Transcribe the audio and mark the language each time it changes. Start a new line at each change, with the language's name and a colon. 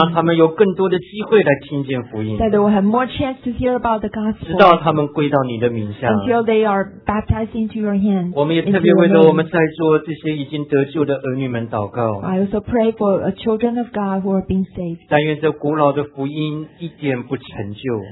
Chinese: 让他们有更多的机会来听见福音。
English: That they will have more chance to hear about the gospel.
Chinese: 直到他们归到你的名下。
English: Until they are baptized into your hands.
Chinese: 我们也特别为了我们在座这些已经得救的儿女们祷告。
English: I also pray for children of God who are being saved.
Chinese: 但愿这古老的福音一点不陈旧。